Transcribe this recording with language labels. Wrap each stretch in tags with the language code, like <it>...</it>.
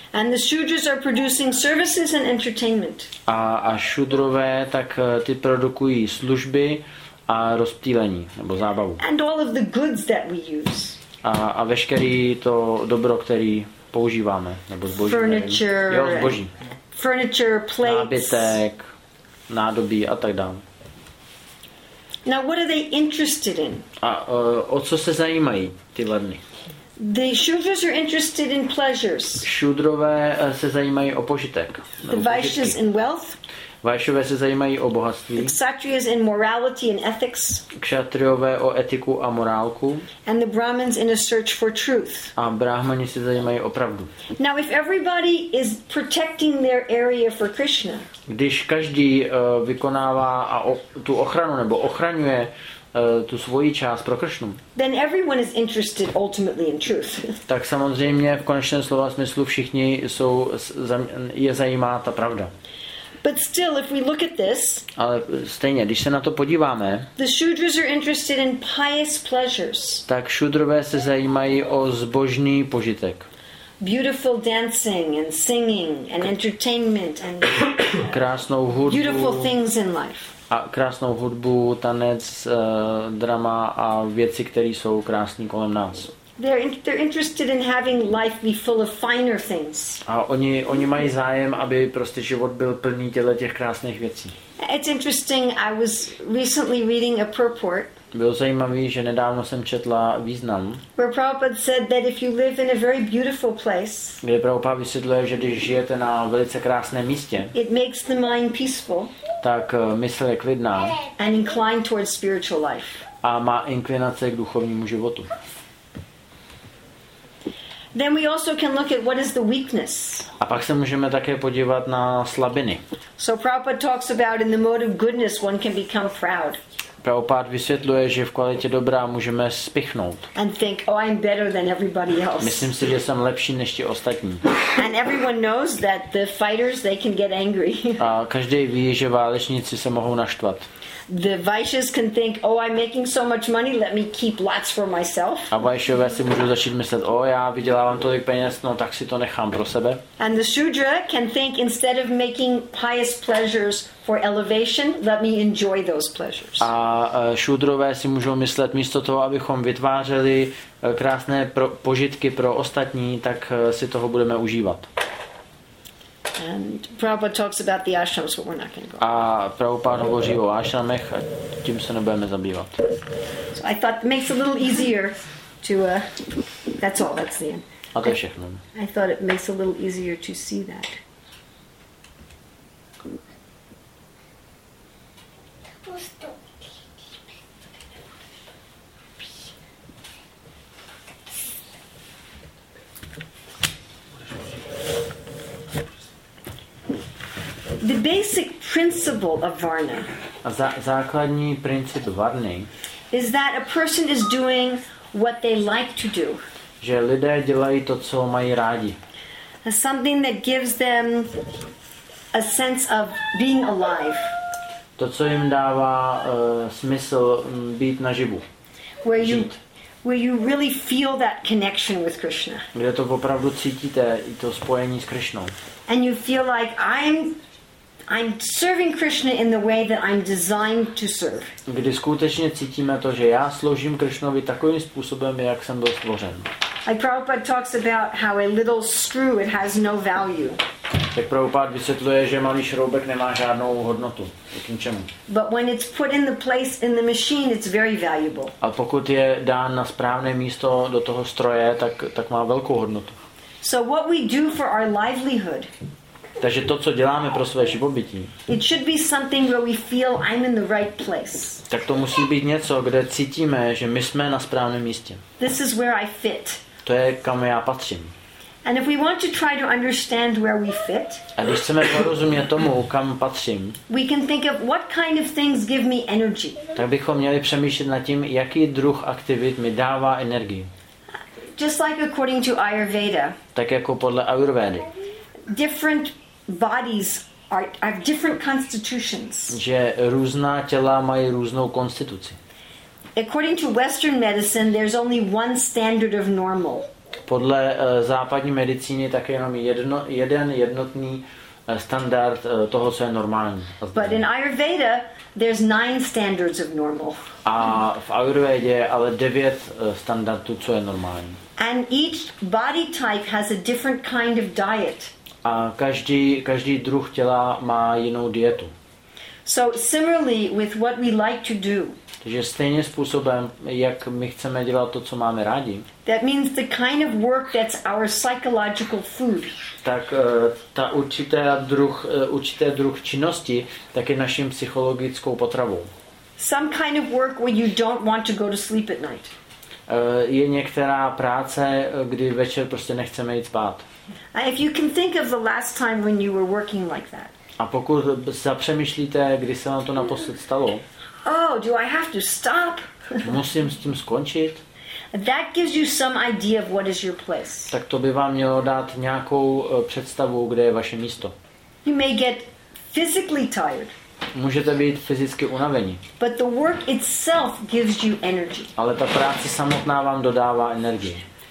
<en>And the Shudras are producing services and entertainment.</en> <cs>A Shudrové tak ty produkují služby a rozptýlení nebo zábavu.</cs> <en>And all of the goods that we use.</en> <cs>A veškerý to dobro, který používáme nebo zboží.</cs> <en>Furniture.</en> <cs>Nevím. Jo, zboží.</cs> <en>Furniture, plates.</en> <cs>Nábytek, nádobí a tak dále.</cs> <en>Now what are they interested in?</en> <cs>A o co se zajímají ty ledny?</cs> <en>The Shudras are interested in pleasures.</en> <cs>Shudrové se zajímají o požitek.</cs> <en>The Vaishyas in wealth.</en> <cs>Vaishyové se zajímají o bohatství.</cs> <en>The Kshatriyas in morality and ethics.</en> <cs>Kshatriyové o etiku a morálku.</cs> <en>And the Brahmins in a search for truth.</en> <cs>A Brahmani se zajímají o pravdu.</cs> <en>Now if everybody is protecting their area for Krishna.</en> <cs>Když každý vykonává tu ochranu nebo ochraňuje tu svoji část pro Krishnu.</cs> <en>Then everyone is interested ultimately in truth.</en> <cs>Tak samozřejmě v konečném slova smyslu všichni jsou je zajímá ta pravda.</cs> <en>But still, if we look at this,</en> <cs>ale stejně, když se na to podíváme,</cs> <en>the Shudras are interested in pious pleasures.</en> <cs>Tak Shudrové se zajímají o zbožný požitek.</cs> <en>Beautiful dancing and singing and entertainment and</en> <cs>krásnou hudbu.</cs> <en>Beautiful things in life.</en> <cs>A krásnou hudbu, tanec, drama a věci, které jsou krásné kolem nás.</cs> <en>They're interested in having life be full of finer things.</en> <cs>A oni mají zájem, aby prostě život byl plný těch krásných věcí.</cs> <en>It's interesting, I was recently reading a purport.</en> <cs>Bylo zajímavé, že nedávno jsem četla význam.</cs> <en>Where Prabhupada said that if you live in a very beautiful place.</en> <cs>Kde Prabhupada vysvětluje, že když žijete na velice krásném místě.</cs> <en>It makes the mind peaceful.</en> <cs>Tak mysl je klidná.</cs> <en>And inclined towards spiritual life.</en> <cs>A má inklinace k duchovnímu životu.</cs> <en>Then we also can look at what is the weakness.</en> <cs>A pak se můžeme také podívat na slabiny.</cs> <en>So Prabhupada talks about in the mode of goodness one can become proud.</en> <cs>Prabhupád vysvětluje, že v kvalitě dobrá můžeme spichnout.</cs> <en>And think, oh, I'm better than everybody else.</en> <cs>Myslím si, že jsem lepší než ti ostatní.</cs> <en>And everyone knows that the fighters, they can get angry.</en> <cs>A každý ví, že válečníci se mohou naštvat.</cs> <en>The Vaishyas can think, "Oh, I'm making so much money. Let me keep lots for myself."</en> <cs>A Vaishyové si můžou začít myslet, "Oh, já vydělávám tolik peněz, no tak si to nechám pro sebe."</cs> <en>And the Shudra can think, instead of making pious pleasures for elevation, let me enjoy those pleasures.</en> <cs>A Shudrové si můžou myslet, místo toho, abychom vytvářeli krásné požitky pro ostatní, tak si toho budeme užívat.</cs> <en>And Prabhupada talks about the ashrams, but we're not going to go.</en> <cs>A Prabhupada hovoří o ashramech, a tím se nebudeme zabývat.</cs> <en>So I thought it makes it a little easier to that's all, that's the end.</en> <cs>A to je všechno.</cs> <en>I thought it makes it a little easier to see that. The basic principle of varna.</en> <cs>Základní princip varny.</cs> <en>Is that a person is doing what they like to do.</en> <cs>Že lidé dělají to, co mají rádi.</cs> <en>Something that gives them a sense of being alive.</en> <cs>To, co jim dává smysl být naživu.</cs> <en>Where you really feel that connection with Krishna.</en> <cs>Kde to opravdu cítíte, i to spojení s Krishnou.</cs> <en>And you feel like I'm serving Krishna in the way that I'm designed to serve.</en> <cs>Kdy skutečně cítíme to, že já sloužím Krishnovi takovým způsobem, jak jsem byl stvořen.</cs> <en>Like Prabhupada talks about how a little screw, it has no value.</en> <cs>Tak Prabhupada vysvětluje, že malý šroubek nemá žádnou hodnotu. K ničemu.</cs> <en>But when it's put in the place in the machine, it's very valuable.</en> <cs>A pokud je dán na správné místo do toho stroje, tak má velkou hodnotu.</cs> <en>So what we do for our livelihood.</en> <cs>Takže to, co děláme pro své živobytí.</cs> <en>It should be something where we feel I'm in the right place.</en> <cs>Tak to musí být něco, kde cítíme, že my jsme na správném místě.</cs> <en>This is where I fit.</en> <cs>To je, kam já patřím.</cs> <en>And if we want to try to understand where we fit.</en> <cs>A když chceme porozumět tomu, kam patřím.</cs> <en>We can think of what kind of things give me energy.</en> <cs>Tak bychom měli přemýšlet nad tím, jaký druh aktivit mi dává energii.</cs> <en>Just like according to Ayurveda.</en> <cs>Tak jako podle Ayurvedy.</cs> <en>Different bodies have different constitutions.</en> <cs>Že různá těla mají různou konstituci.</cs> <en>According to Western medicine, there's only one standard of normal.</en> <cs>Podle západní medicíny tak je jenom jeden jednotný standard toho, co je normální.</cs> <en>But in Ayurveda, there's 9 standards of normal.</en> <cs>A v Ayurvedě ale 9 standardů, co je normální.</cs> <en>And each body type has a different kind of diet.</en> <cs>A každý druh těla má jinou dietu.</cs> <en>So similarly with what we like to do.</en> <cs>Takže stejně způsobem, jak my chceme dělat to, co máme rádi.</cs> <en>That means the kind of work that's our psychological food.</en> <cs>Tak ta určité druh činnosti, tak je naším psychologickou potravou.</cs> <en>Some kind of work where you don't want to go to sleep at night.</en> <cs>Je některá práce, kdy večer prostě nechceme jít spát.</cs> <en>If you can think of the last time when you were working like that.</en> <cs>A pokud zapřemýšlíte, kdy se vám to naposled stalo.</cs> <en>Oh, do I have to stop?</en> <cs>Musím s tím skončit.</cs> <en>That gives you some idea of what is your place.</en> <cs>Tak to by vám mělo dát nějakou představu, kde je vaše místo.</cs> <en>You may get physically tired.</en> <cs>Můžete být fyzicky unavení.</cs> <en>But the work itself gives you energy.</en> <cs>Ale ta práce samotná vám dodává energii.</cs>